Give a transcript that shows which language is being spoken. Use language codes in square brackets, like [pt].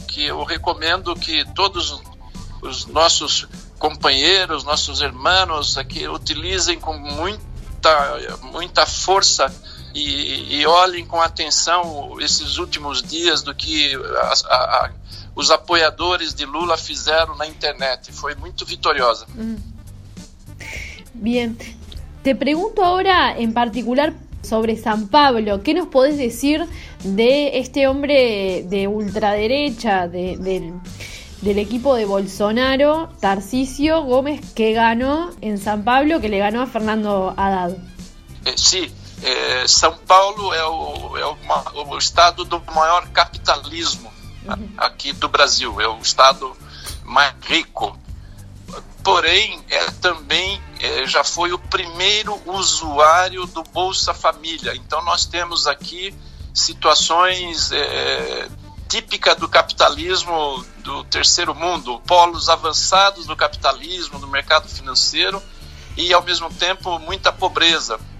[pt] Que eu recomendo que todos os nossos companheiros, nossos irmãos aqui, utilizem com muita, muita força e olhem com atenção esses últimos dias do que os apoiadores de Lula fizeram na internet. Foi muito vitoriosa. [es] Bien. Te pregunto ahora en particular sobre San Pablo, ¿qué nos podés decir de este hombre de ultraderecha, del equipo de Bolsonaro, Tarcísio Gómez, que ganó en San Pablo, que le ganó a Fernando Haddad? Sí, San Pablo es el estado del mayor capitalismo aquí [pt] do Brasil, [es] es el estado más rico. [pt] Porém, já foi o primeiro usuário do Bolsa Família. Então, nós temos aqui situações típicas do capitalismo do terceiro mundo, polos avançados do capitalismo, do mercado financeiro, e, ao mesmo tempo, muita pobreza.